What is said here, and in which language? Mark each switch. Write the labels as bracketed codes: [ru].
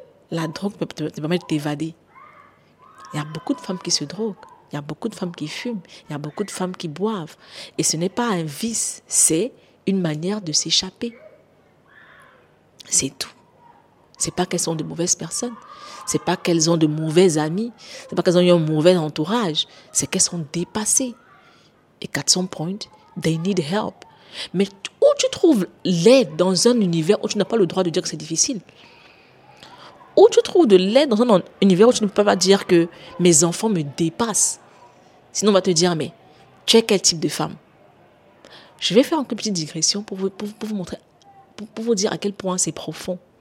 [fr] La drogue peut te permettre de t'évader. Il y a beaucoup de femmes qui se droguent, il y a beaucoup de femmes qui fument, il y a beaucoup de femmes qui boivent. Et ce n'est pas un vice, c'est une manière de s'échapper. C'est tout. Ce n'est pas qu'elles sont de mauvaises personnes, ce n'est pas qu'elles ont de mauvais amis, ce n'est pas qu'elles ont eu un mauvais entourage, c'est qu'elles sont dépassées. [en] Et at some point, they need help. [fr] Mais où tu trouves l'aide dans un univers où tu n'as pas le droit de dire que c'est difficile? Où tu trouves de l'aide dans un univers où tu ne peux pas dire que mes enfants me dépassent? Sinon, on va te dire, mais tu es quel type de femme? Je vais faire une petite digression pour vous dire à quel point c'est profond.